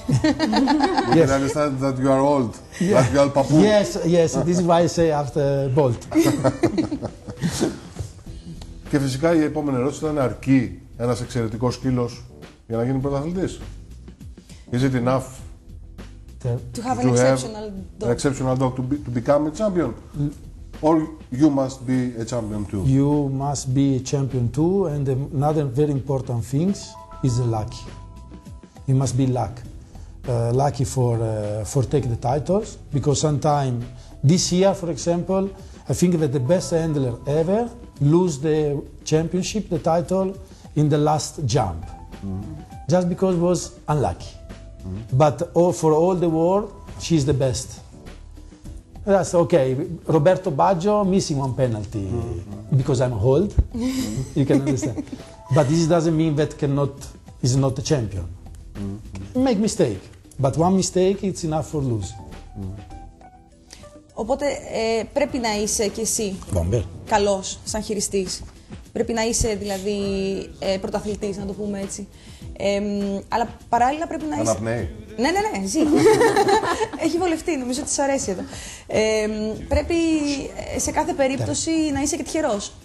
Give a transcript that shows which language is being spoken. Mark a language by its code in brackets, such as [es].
[en] You can understand that you are old, yeah. Like you are Papu. Yes, yes, this is why I say after Bolt. [el] Και φυσικά η επόμενη ερώτηση ήταν, αρκεί ένας εξαιρετικός σκύλος για να γίνει πρωταθλητής? [en] Is it enough to have an exceptional dog to become a champion? Or you must be a champion too? You must be a champion too, and another very important thing is the luck. You must be lucky for take the titles, because sometime this year, for example, I think that the best handler ever lose the championship, the title, in the last jump, just because it was unlucky. But for all the world, she's the best. That's okay. Roberto Baggio missing one penalty because I'm old. You can understand. But this doesn't mean that is not a champion. Make mistake, but one mistake it's enough for lose. [el] Οπότε πρέπει να είσαι κι εσύ καλός σαν χειριστής. Πρέπει να είσαι δηλαδή πρωταθλητής, να το πούμε έτσι. Αλλά παράλληλα πρέπει να είσαι. Αναπνέει. Ναι, ζει. Έχει βολευτεί, νομίζω ότι της αρέσει εδώ. Πρέπει σε κάθε περίπτωση να είσαι και τυχερός.